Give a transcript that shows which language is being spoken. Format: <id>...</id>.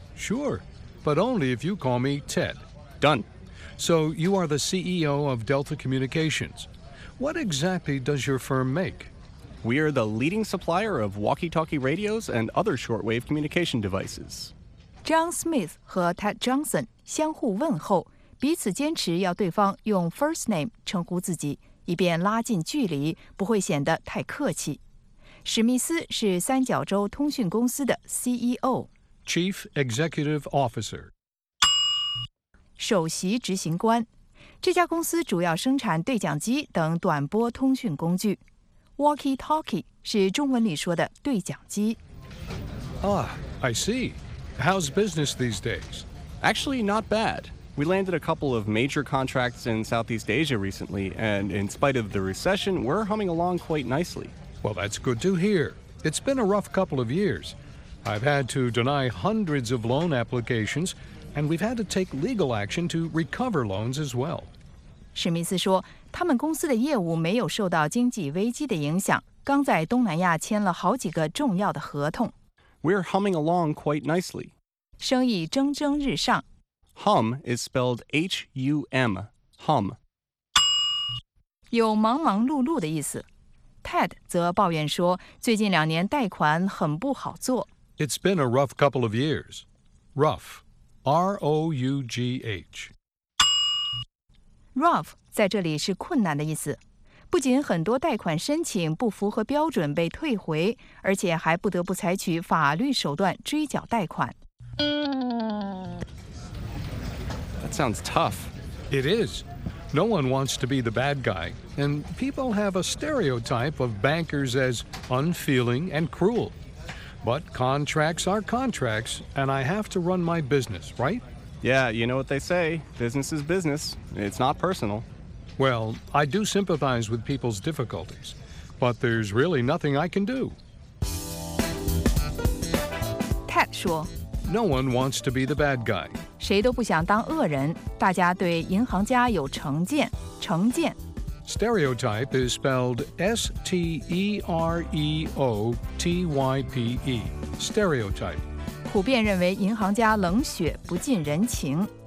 <en>Sure, but only if you call me Ted. Done. So you are the CEO of Delta Communications. What exactly does your firm make? We are the leading supplier of walkie-talkie radios and other shortwave communication devices.</en> <zh>John Smith 和 Ted Johnson 相互问候，彼此坚持要对方用 first name 称呼自己，以便拉近距离，不会显得太客气。史密斯是三角洲通讯公司的 CEO</zh> <en>Chief Executive Officer</en> <zh>首席执行官，这家公司主要生产对讲机等短波通讯工具。 Walkie-talkie 是中文里说的对讲机。</zh> <en>I see. How's business these days? Actually, not bad. We landed a couple of major contracts in Southeast Asia recently, and in spite of the recession, we're humming along quite nicely Well, that's good to hear. It's been a rough couple of years. I've had to deny hundreds of loan applications, and we've had to take legal action to recover loans as well.</en> <zh>史密斯说，他们公司的业务没有受到经济危机的影响，刚在东南亚签了好几个重要的合同。</zh> <en>We're humming along quite nicely.</en> <zh>生意蒸蒸日上。</zh> <en>Hum is spelled H-U-M, hum.</en> <zh>有忙忙碌碌的意思。 Ted 则抱怨说最近两年贷款很不好做。</zh> <en>It's been a rough couple of years. Rough, R-O-U-G-H.</en> <zh>Rough 在这里是困难的意思。不仅很多贷款申请不符合标准被退回，而且还不得不采取法律手段追缴贷款。</zh> <en>That sounds tough. It is. No one wants to be the bad guy, and people have a stereotype of bankers as unfeeling and cruel. But contracts are contracts, and I have to run my business, right? Yeah, you know what they say. Business is business. It's not personal. Well, I do sympathize with people's difficulties, but there's really nothing I can do.</en> <zh>Ted 说</zh> <en>No one wants to be the bad guy.</en> <zh>谁都不想当恶人，大家对银行家有成见，成见。</zh> <en>Stereotype is spelled S-T-E-R-E-O-T-Y-P-E, stereotype.</en> <zh>普遍认为银行家冷血，不近人情。</zh>